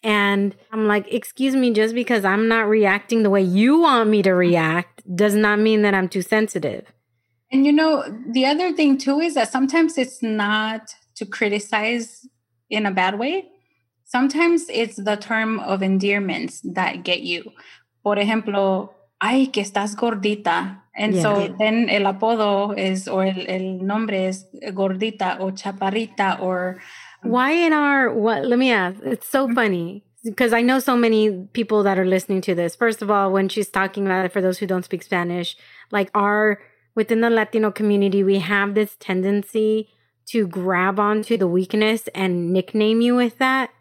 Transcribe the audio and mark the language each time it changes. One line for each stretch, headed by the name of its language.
English: And I'm like, excuse me, just because I'm not reacting the way you want me to react does not mean that I'm too sensitive. And you know, the other thing too is that sometimes it's not to criticize in a bad way. Sometimes it's the term of endearment that get you.
Spanish: Por ejemplo, ay, que estás gordita.
English: And yeah. So then
Spanish: el apodo
English: is, or
Spanish: el nombre es gordita o chaparrita
English: or. Why in our, what, let me ask, it's so funny because I know so many people that are listening to this. First of all, when she's talking about it, for those who don't speak Spanish, like our, within the Latino community, we have this tendency to grab onto the weakness and nickname you with that.